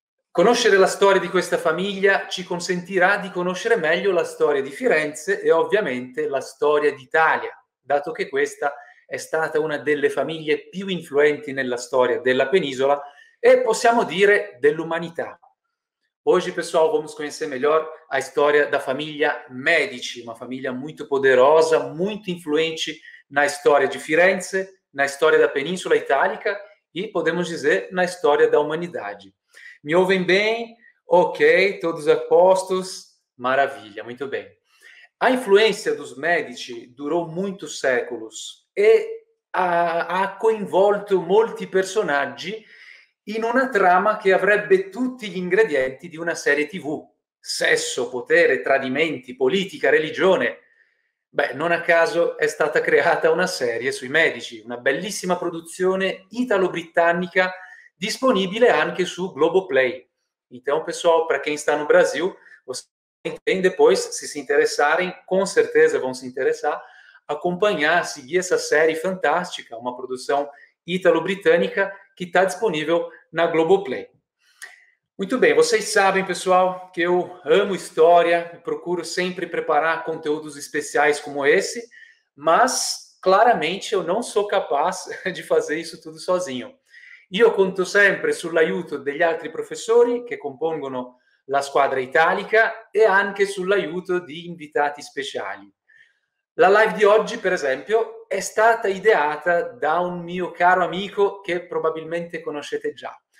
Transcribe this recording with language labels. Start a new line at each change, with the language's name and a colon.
Italian: Conoscere la storia di questa famiglia ci consentirà di conoscere meglio la storia di Firenze e ovviamente la storia d'Italia, dato che questa è stata una delle famiglie più influenti nella storia della penisola e possiamo dire dell'umanità.
Portuguese: Hoje, pessoal, vamos conhecer melhor a história da família Medici, uma família muito poderosa, muito influente na história de Firenze, na história da Península Itálica e, podemos dizer, na história da humanidade. Me ouvem bem? Ok, todos a postos? Maravilha, muito bem. A influência dos Medici durou muitos séculos e
Italian: ha coinvolto molti personaggi in una trama che avrebbe tutti gli ingredienti di una serie TV. Sesso, potere, tradimenti, politica, religione. Beh, non a caso è stata creata una serie sui Medici, una bellissima produzione italo-britannica disponibile anche su Globoplay.
Portuguese: Então, pessoal, para quem está no Brasil, vocês depois, se si interessarem, com certeza vão se interessar, acompanhar, seguir essa série fantástica, uma produção italo-britannica que está disponível na Globoplay. Muito bem, vocês sabem, pessoal, que eu amo história, procuro sempre preparar conteúdos especiais como esse, mas claramente eu não sou capaz de fazer isso tudo sozinho.
Italian: Io conto sempre sull'aiuto degli altri professori che compongono la squadra italica e anche sull'aiuto di invitati speciali. La live di oggi, per esempio, è stata ideata da un mio caro amico che probabilmente conoscete già.